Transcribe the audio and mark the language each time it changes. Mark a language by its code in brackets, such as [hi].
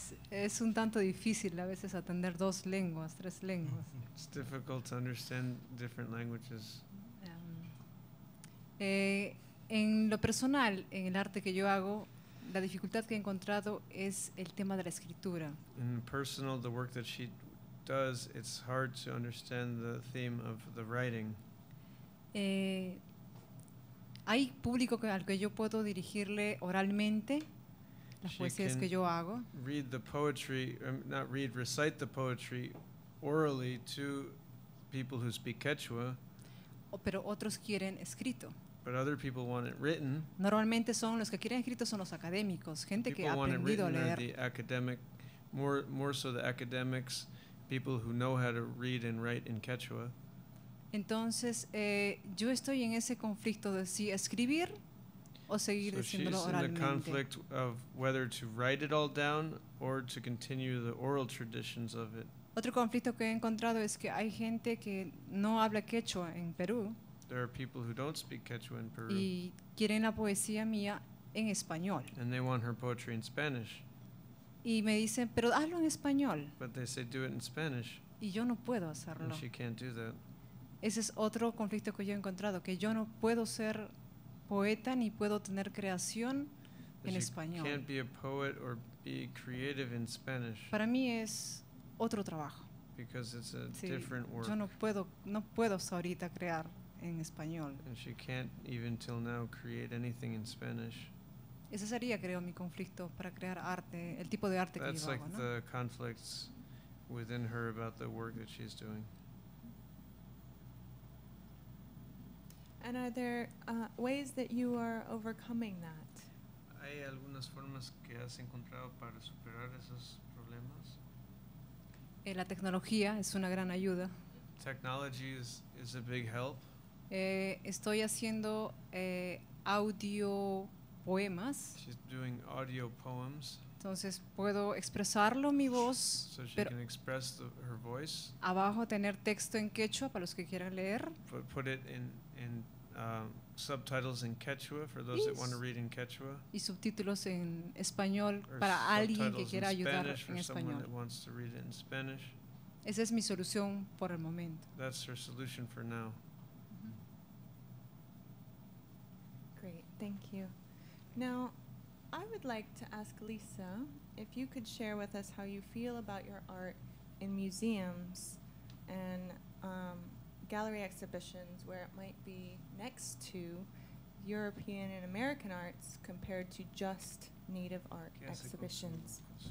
[es] Es un tanto difícil a veces atender dos lenguas, tres lenguas. [en] It's difficult to understand different languages. [es] En lo personal, en el arte que yo hago, la dificultad que he encontrado es el tema de la escritura. [en] In personal, the work that she does, it's hard to understand the theme of the writing. [es] Hay público al que yo puedo dirigirle oralmente. [en] She can [es] que yo hago. [en] Read the poetry, not read, recite the poetry orally to people who speak Quechua. [es] Pero otros quieren escrito. [en] But other people want it written. [es] Normalmente son los que quieren escrito son los académicos, gente [en] people [es] que ha [en] want [es] aprendido [en] it written [es] a leer. [en] The academic, more so the academics, people who know how to read and write in Quechua. [es] Entonces, yo estoy en ese conflicto de si escribir. [en] So she's in the conflict of whether to write it all down or to continue the oral traditions of it. [es] Otro conflicto que he encontrado es que hay gente que no habla Quechua en Perú. [en] There are people who don't speak Quechua in Peru. [es] Y quieren la poesía mía en español. [en] And they want her poetry in Spanish. [es] Y me dicen, pero hazlo en español. [en] But they say, do it in Spanish. [es] Y yo no puedo hacerlo. [en] And she can't do that. [es] Ese es otro conflicto que yo he encontrado, que yo no puedo ser poeta ni puedo tener creación en español. [en] Can't be a poet or be creative in Spanish. [es] Para mí es otro trabajo. [en] Because it's a [es] sí, [en] different work. [es] Yo no puedo hasta ahorita crear en español. [en] And she can't even till now create anything in Spanish. [es] Ese sería, creo, mi conflicto para crear arte, el tipo de arte [en] That's [es] que yo [en] like [es] hago, ¿no? [en] The conflicts within her about the work that she's doing. And are there ways that you are overcoming that? [es] ¿Hay algunas formas que has encontrado para superar esos problemas? La tecnología es una gran ayuda. [en] Technology is a big help. [es] Estoy haciendo audio poemas. [en] She's doing audio poems. [es] Entonces puedo expresarlo mi voz, [en] so she can express her voice. [es] Abajo tener texto en quechua para los que quieran leer. [en] Put it in subtitles in Quechua for those that want to read in Quechua. [es] Y subtítulos en español para alguien que quiera ayudar en español. [en] Someone that wants to read it in Spanish. [es] Esa es mi solución por el momento. [en] That's her solution for now. Great, thank you. Now, I would like to ask Lisa if you could share with us how you feel about your art in museums and gallery exhibitions where it might be next to European and American arts compared to just Native art exhibitions.